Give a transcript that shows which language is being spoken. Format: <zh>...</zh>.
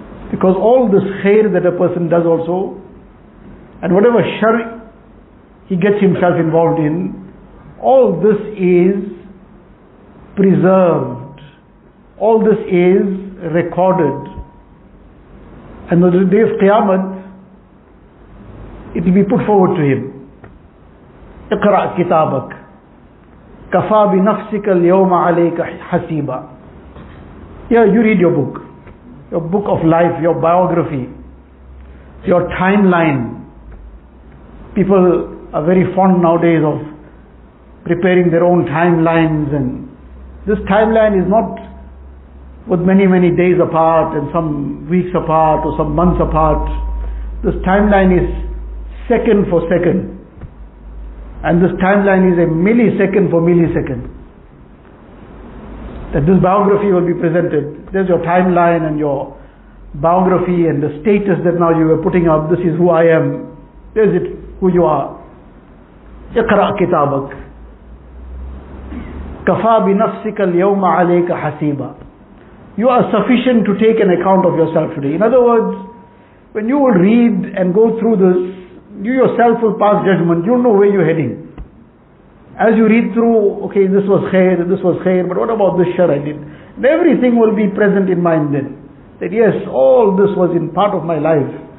<en>Because all this khair that a person does also, and whatever shar he gets himself involved in, all this is preserved, all this is recorded. And on the day of Qiyamah, it will be put forward to him.</en> <ar>اقرأ كتابك كفى بنفسك اليوم عليك حسيبا.</ar> <en>Yeah, you read your book of life, your biography, your timeline. People are very fond nowadays of preparing their own timelines, and this timeline is not with many days apart and some weeks apart or some months apart. This timeline is second for second. And this timeline is a millisecond for millisecond. That this biography will be presented. There's your timeline and your biography and the status that now you were putting up. This is who I am. There's it, who you are.</en> <ar>اقرأ كتابك كفى بنفسك اليوم عليك حسيبا.</ar> <en>You are sufficient to take an account of yourself today. In other words, when you will read and go through this, you yourself will pass judgment. You'll know where you're heading. As you read through, okay, this was khair, but what about this shar I did? And everything will be present in mind then. That yes, all this was in part of my life.</en>